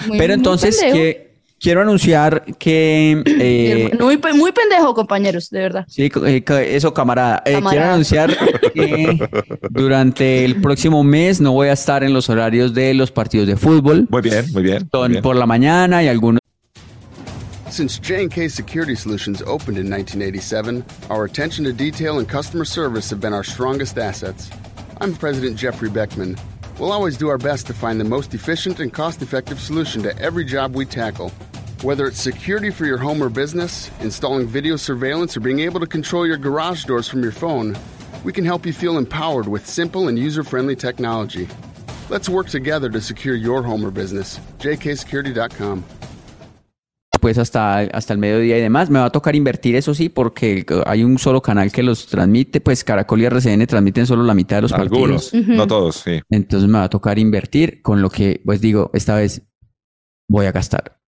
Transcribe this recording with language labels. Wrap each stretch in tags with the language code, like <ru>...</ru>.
<es>Muy, pero entonces que quiero anunciar que muy, muy pendejo, compañeros, de verdad. Sí, eso, camarada. Quiero anunciar que durante el próximo mes no voy a estar en los horarios de los partidos de fútbol. Muy bien, muy bien. Por la mañana y algunos.</es> <en>Since J&K Security Solutions opened in 1987, our attention to detail and customer service have been our strongest assets. I'm President Jeffrey Beckman. We'll always do our best to find the most efficient and cost-effective solution to every job we tackle. Whether it's security for your home or business, installing video surveillance, or being able to control your garage doors from your phone, we can help you feel empowered with simple and user-friendly technology. Let's work together to secure your home or business. JKSecurity.com.</en> <es>Pues hasta el mediodía y demás. Me va a tocar invertir, eso sí, porque hay un solo canal que los transmite, pues Caracol y RCN transmiten solo la mitad de los partidos. Algunos, no todos, sí. Entonces me va a tocar invertir, con lo que, pues digo, esta vez voy a gastar.</es>